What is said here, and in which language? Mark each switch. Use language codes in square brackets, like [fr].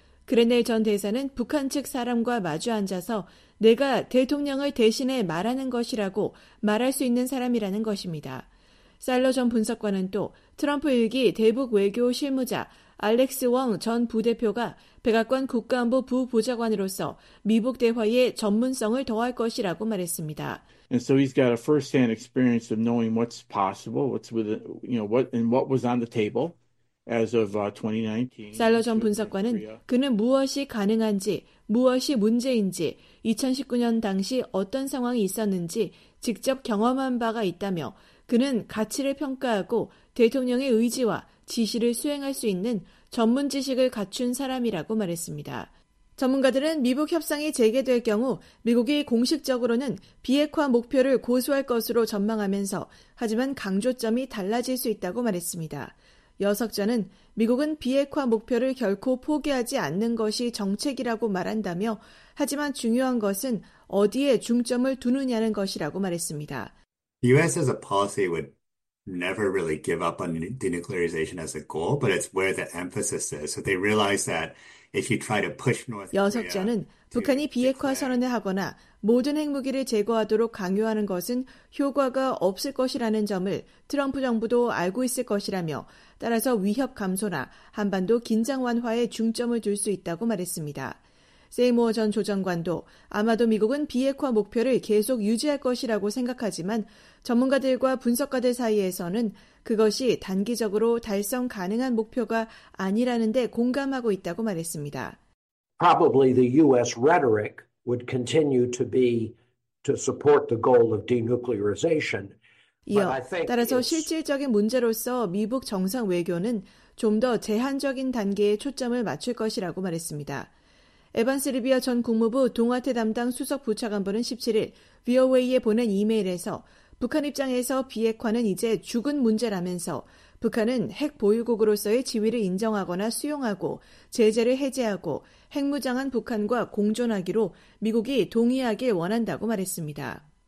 [ko] 그레네 전 대사는 북한 측 사람과 마주 앉아서 내가 대통령을 대신해 말하는 것이라고 말할 수 있는 사람이라는 것입니다. 사일러 전 분석관은 또 트럼프 1기 대북 외교 실무자 알렉스 웡 전 부대표가 백악관 국가안보 부보좌관으로서 미북 대화에 전문성을 더할 것이라고 말했습니다. [en] And so he's got a first-hand experience of knowing what's possible, what's with, you know, what and what was on the table as of 2019. [ko] 사일러 전 분석관은 그는 무엇이 가능한지, 무엇이 문제인지, 2019년 당시 어떤 상황이 있었는지 직접 경험한 바가 있다며 그는 가치를 평가하고 대통령의 의지와 지시를 수행할 수 있는 전문 지식을 갖춘 사람이라고 말했습니다. 전문가들은 미북 협상이 재개될 경우 미국이 공식적으로는 비핵화 목표를 고수할 것으로 전망하면서 하지만 강조점이 달라질 수 있다고 말했습니다. 여석자는 미국은 비핵화 목표를 결코 포기하지 않는 것이 정책이라고 말한다며 하지만 중요한 것은 어디에 중점을 두느냐는 것이라고 말했습니다. [en] The U.S. has a policy would never really give up on denuclearization as a goal, but it's where the emphasis is. So they realize that if you try to push North Korea, [ko] 여석자는 북한이 비핵화 선언을 하거나 모든 핵무기를 제거하도록 강요하는 것은 효과가 없을 것이라는 점을 트럼프 정부도 알고 있을 것이라며 따라서 위협 감소나 한반도 긴장 완화에 중점을 둘 수 있다고 말했습니다. 세이모어 전 조정관도 아마도 미국은 비핵화 목표를 계속 유지할 것이라고 생각하지만 전문가들과 분석가들 사이에서는 그것이 단기적으로 달성 가능한 목표가 아니라는 데 공감하고 있다고 말했습니다. [en] Probably the U.S. rhetoric would continue to be to support the goal of denuclearization. [ko] 이어 따라서 실질적인 문제로서 미북 정상 외교는 좀 더 제한적인 단계에 초점을 맞출 것이라고 말했습니다. 에반스 리비아 전 국무부 동아태 담당 수석 부차관보는 17일 VOA에 보낸 이메일에서 북한 입장에서 비핵화는 이제 죽은 문제라면서 북한은 핵 보유국으로서의 지위를 인정하거나 수용하고 제재를 해제하고 핵무장한 북한과 공존하기로 미국이 동의하길 원한다고 말했습니다.